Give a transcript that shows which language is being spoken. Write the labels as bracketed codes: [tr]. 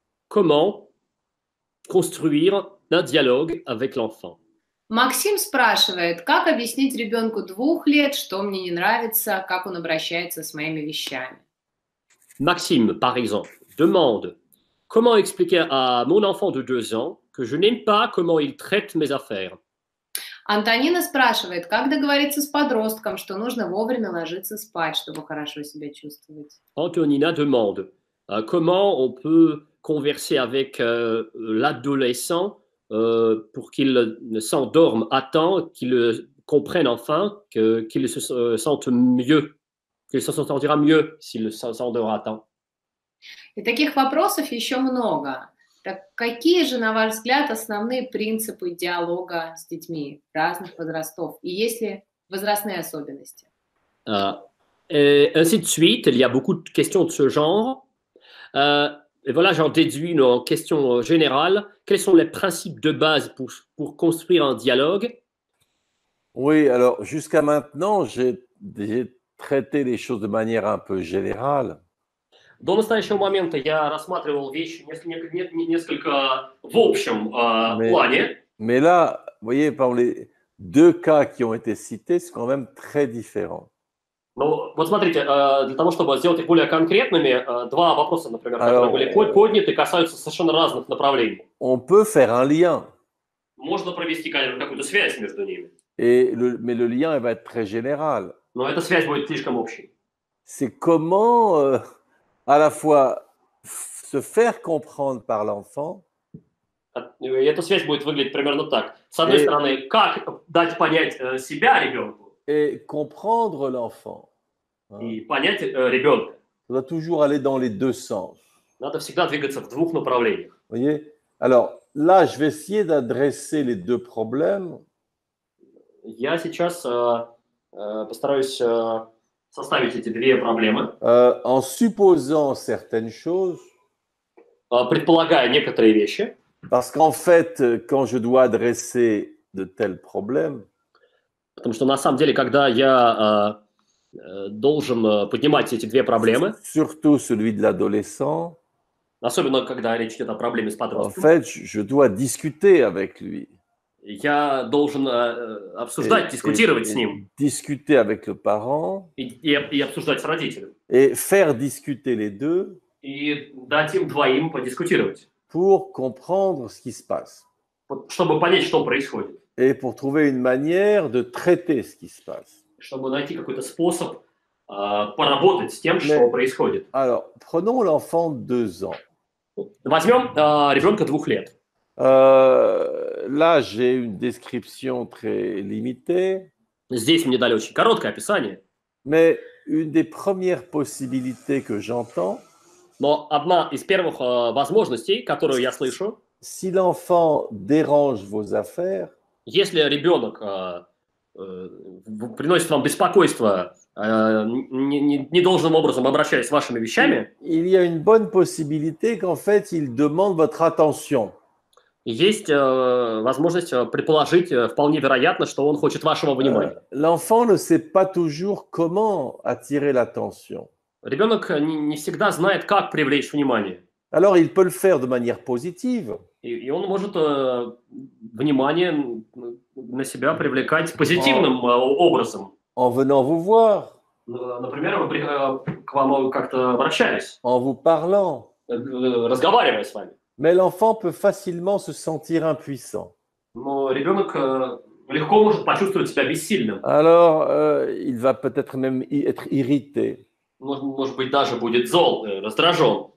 [fr] Comment construire un dialogue avec l'enfant? [ru] Максим спрашивает, как объяснить ребенку двух лет, что мне не нравится, как он обращается с моими вещами? [fr] Максим, par exemple, demande, comment expliquer à mon enfant de deux ans que je n'aime pas comment il traite mes affaires? [ru] Антонина спрашивает, как договориться с подростком, что нужно вовремя ложиться спать, чтобы хорошо себя чувствовать. [fr] Антонина demande, comment on peut converser avec l'adolescent pour qu'il s'endorme à temps, comprennent enfin qu'ils se sentent mieux, qu'ils se sentiront mieux s'ils s'endorment à temps. [ru] Et таких вопросов еще много. Так какие же, на ваш взгляд, основные принципы диалога с детьми разных возрастов? И есть ли возрастные особенности? [fr] Et ainsi de suite, il y a beaucoup de questions de ce genre. Et voilà, j'en déduis une question générale. Quels sont les principes de base pour construire un dialogue? Oui, alors jusqu'à maintenant, j'ai traité les choses de manière un peu générale. [ru] До настоящего момента я рассматривал вещи несколько в общем плане. [fr] Mais là, vous voyez, par les deux cas qui ont été cités, c'est quand même très différent. [ru] Ну, вот смотрите, для того, чтобы сделать их более конкретными, два вопроса, например, которые были подняты, касаются совершенно разных направлений. [fr] On peut faire un lien. [ru] Можно провести какую-то связь между ними. [fr] Et mais le lien va être très général. [ru] Но эта связь будет слишком общей. [fr] C'est comment à la fois se faire comprendre par l'enfant. [ru] Эта связь будет выглядеть примерно так. С одной стороны, как дать понять себя ребенку. [fr] Et comprendre l'enfant. [ru] Et понять ребенка. [fr] Ça doit toujours aller dans les deux sens. [ru] Надо всегда двигаться в двух направлениях. [fr] Vous voyez? Alors là, je vais essayer d'adresser les deux problèmes. [ru] Я сейчас постараюсь составить эти две проблемы. [fr] En supposant certaines choses. [ru] Предполагая некоторые вещи. [fr] Parce qu'en fait, quand je dois adresser de tels problèmes. [ru] Потому что на самом деле, когда я должен поднимать эти две проблемы, [fr] surtout celui de l'adolescent, [ru] особенно когда речь идет о проблеме с подростком, [fr] en fait, je dois discuter avec lui. [ru] Я должен обсуждать, дискутировать с ним. [fr] Discuter avec le parent. [ru] И обсуждать с родителем. [fr] Et faire discuter les deux. [ru] И дать им двоим подискутировать. [fr] Pour comprendre ce qui se passe. [ru] Чтобы понять, что происходит. [fr] Et pour trouver une manière de traiter ce qui se passe. [ru] Чтобы найти какой-то способ поработать с тем, что происходит. [fr] Alors, prenons l'enfant de 2 ans. [ru] Возьмем ребенка 2 лет. [fr] Là, j'ai une description très limitée. [ru] Здесь мне дали очень короткое описание. [fr] Mais une des premières possibilités que j'entends. [ru] Но одна из первых возможностей, которую я слышу. [fr] Si l'enfant dérange vos affaires. [ru] Если ребенок приносит вам беспокойство, недолжным образом обращаясь с вашими вещами, [fr] il y a une bonne possibilité qu'en fait il demande votre attention. [ru] Есть возможность предположить вполне вероятно, что он хочет вашего внимания. [fr] L'enfant ne sait pas toujours comment attirer l'attention. [ru] Ребенок не всегда знает, как привлечь внимание. [fr] Alors il peut le faire de manière positive. [ru] И он может внимание на себя привлекать позитивным образом. [fr] En venant vous voir. [ru] Например, к вам как-то обращаясь. [fr] En vous parlant. [ru] Разговаривая с вами. [fr] Mais l'enfant peut facilement se sentir impuissant. [ru] Но ребенок легко может почувствовать себя бессильным. [fr] Alors il va peut-être même être irrité. [ru] Может быть, даже будет зол, раздражен.